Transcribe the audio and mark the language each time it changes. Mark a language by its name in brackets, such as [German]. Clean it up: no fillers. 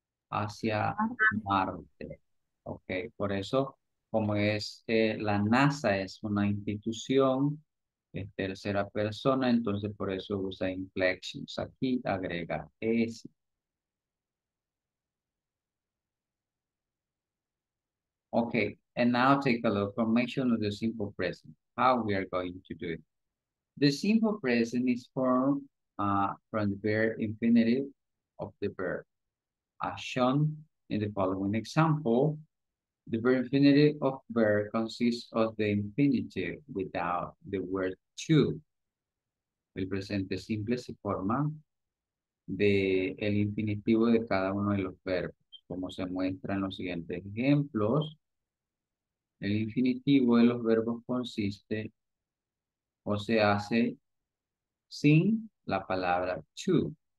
[Spanish] Hacia Marte. Ok, por eso, como es la NASA, es una institución, es tercera persona, entonces por eso usa inflections aquí, agrega S. [English] Ok, and now take a look, formation of the simple present, how we are going to do it. The simple present is formed from the verb infinitive of the verb. As shown in the following example, the verb infinitive of verb consists of the infinitive without the word to. [Spanish] El presente simple se forma de el infinitivo de cada uno de los verbos, como se muestra en los siguientes ejemplos. El infinitivo de los verbos consiste o se hace sin la palabra to.